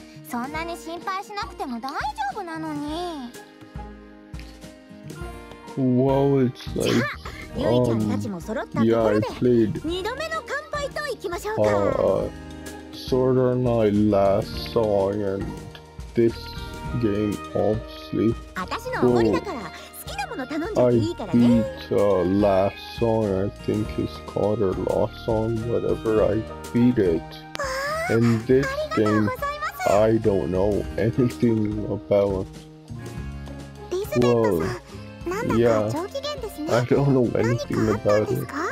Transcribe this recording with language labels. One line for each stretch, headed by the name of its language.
Japanese: そんなに心配しなくても大丈夫なのに。
English: Wow, it's like,
Japanese: じゃあ、ユイちゃんたちも揃ったところで、二度目の乾杯といきましょうか。
English: Sword Art Online last song and this game, obviously.
Japanese: 私のおごりだから、好きなもの頼んじゃっていいからね。
English: I beat last song, I think it's called or lost song, whatever, I beat it. And this game... I don't know anything about. Well, yeah, I don't know anything about it.